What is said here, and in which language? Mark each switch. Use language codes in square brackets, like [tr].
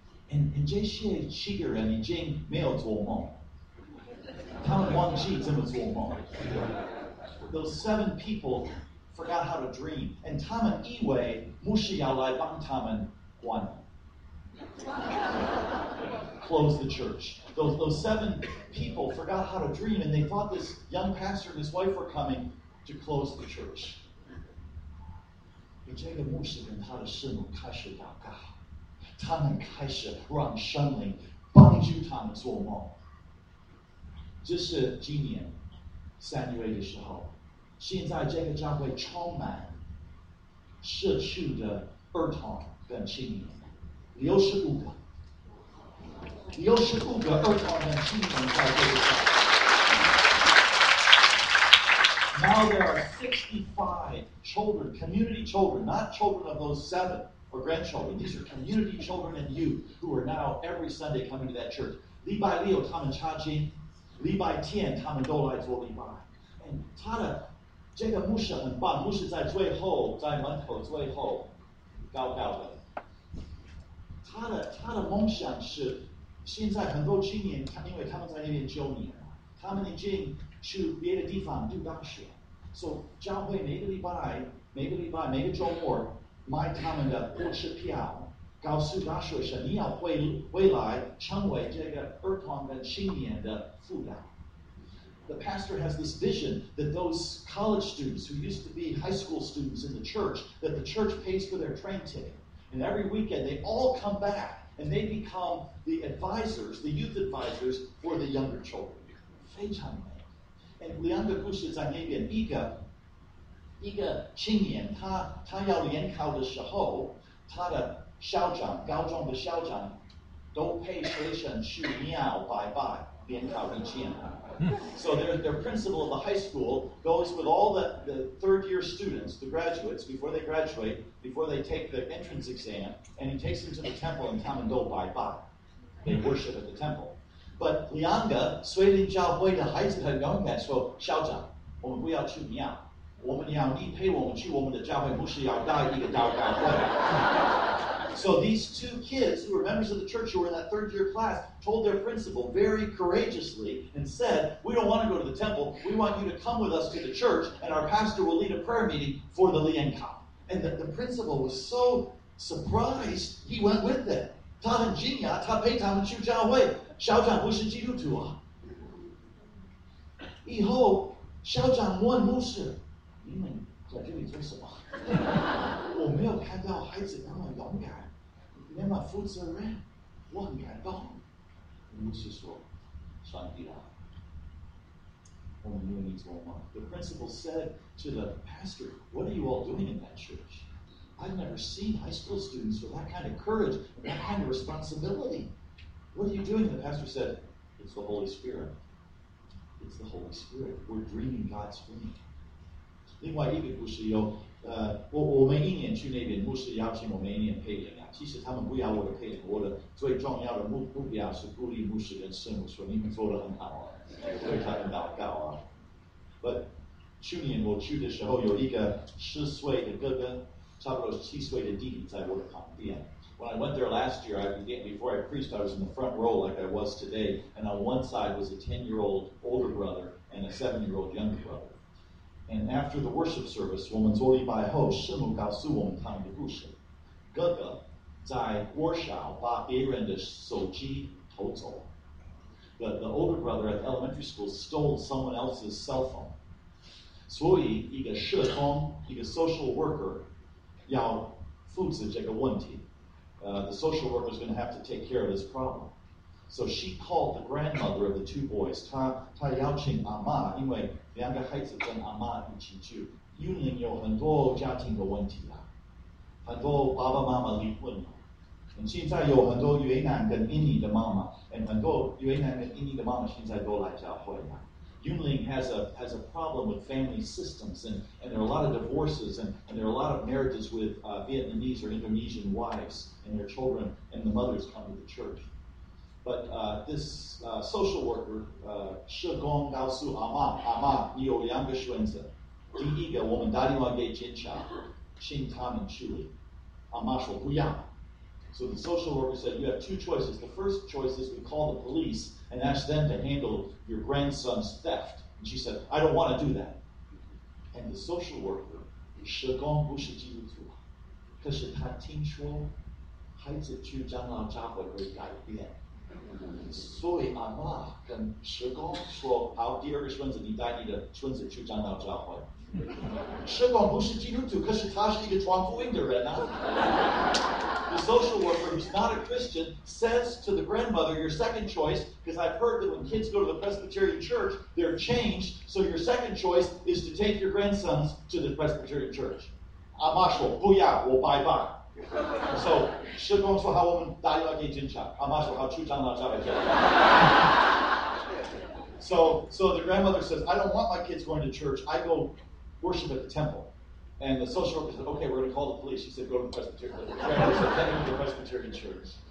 [zh] And 这些七个人已经没有做梦，他们忘记怎么做梦。 [en] Those seven people forgot how to dream, and [zh] 他们以为牧师要来帮他们关， [en] close the church. Those seven people forgot how to dream, and they thought this young pastor and his wife were coming to close the church. [zh] 这个牧师跟他的师母开始祷告，他们开始让圣灵帮助他们做梦。这是今年三月的时候，现在这个教会充满社区的儿童跟青年，65个，65个儿童跟青年在这个教会。 [en] Now there are 65 children, community children, not children of those 7 or grandchildren. These are community children and youth who are now every Sunday coming to that church. [zh] 礼拜六他们查经，礼拜天他们都来做礼拜。 And 他的这个牧师很棒，牧师在最后，在门口最后高高的。他的梦想是，现在很多青年，因为他们在那边9年了，他们已经去别的地方读大学。 So, 教会每个礼拜每个周末买他们的火车票，告诉大学生你要回来成为这个儿童跟青年的辅导。 [en] The pastor has this vision that those college students who used to be high school students in the church, that the church pays for their train ticket. And every weekend they all come back and they become the advisors, the youth advisors for the younger children. [zh] 非常美。 And 两个故事在那边，一个青年他要联考的时候，他的校长，高中的校长都陪学生去庙拜拜联考一天。 [en] So their principal of the high school goes with all the third year students, the graduates, before they graduate, before they take the entrance exam, and he takes them to the temple and [zh] 他们都拜拜。 [en] They worship at the temple. [zh] But 两个虽然教会的孩子很勇敢，说校长，我们不要去庙，我们要你陪我们去我们的教会，不是要带一个祷告会。 [en] So these two kids who were members of the church who were in that third year class told their principal very courageously and said, "We don't want to go to the temple. We want you to come with us to the church, and our pastor will lead a prayer meeting for the Lienkop." And the principal was so surprised, he went with them. [zh] 他很惊讶，他陪他们去教会。校长不是基督徒啊。以后校长问牧师，你们在这里做什么？我没有看到孩子那么勇敢，那么负责任，我很感动。牧师说，上帝啊，我们愿意做吗？ [en] The principal said to the pastor, "What are you all doing in that church? I've never seen high school students with that kind of courage and that kind of responsibility. What are you doing?" The pastor said, "It's the Holy Spirit. It's the Holy Spirit. We're dreaming God's dream." [zh] 另外一个故事有，我每一年去那边，牧师邀请我每一年陪人啊。其实他们不要我的陪人，我的最重要的目标是鼓励牧师跟圣母说，你们做得很好啊，为他们祷告啊。 But 去年我去的时候，有一个10岁的哥哥，差不多7岁的弟弟在我的旁边。 [en] When I went there last year, before I preached, I was in the front row like I was today, and on one side was a 10-year-old older brother and a 7-year-old younger brother. And after the worship service, [zh] 我们做礼拜后，圣母告诉我们他们的故事。哥哥在国小把别人的手机偷走。 [en] The older brother at elementary school stole someone else's cell phone. [zh] 所以一个社工，一个 social worker 要负责这个问题。 [en] The social worker is going to have to take care of this problem. So she called the grandmother of the two boys. [zh] 她邀请阿妈，因为两个孩子跟阿妈一起住。云林有很多家庭的问题啊，很多爸爸妈妈离婚了。 And 现在有很多越南跟印尼的妈妈， and 很多越南跟印尼的妈妈现在都来教会了。 [en] 云林has a problem with family systems, and there are a lot of divorces, and there are a lot of marriages with Vietnamese or Indonesian wives and their children, and the mothers come to the church. But this social worker, [zh] 社工告诉阿妈，你有两个选择。第一个，我们打电话给警察，请他们处理。阿妈说不要。 [en] So the social worker said, "You have two choices. The first choice is we call the police and ask them to handle your grandson's theft." And she said, "I don't want to do that." And the social worker, [zh] 社工不是基督徒，可是他听说孩子去长老教会会改变。所以阿妈跟社工说，好，第二个孙子你带你的孙子去长老教会。社工不是基督徒，可是他是一个传福音的人啊。 [en] The social worker who's not a Christian says to the grandmother, your second choice, because I've heard that when kids go to the Presbyterian church, they're changed, so your second choice is to take your grandsons to the Presbyterian church. [zh] 阿妈说不要，我拜拜。 So, 社工说好，我们打电话给警察。阿妈说好，去长老教会。 [en] So the grandmother says, I don't want my kids going to church. I go worship at the temple. And the social worker said, okay, we're going to call the police. She said, go to the Presbyterian church. The grandmother said, take him to the Presbyterian church.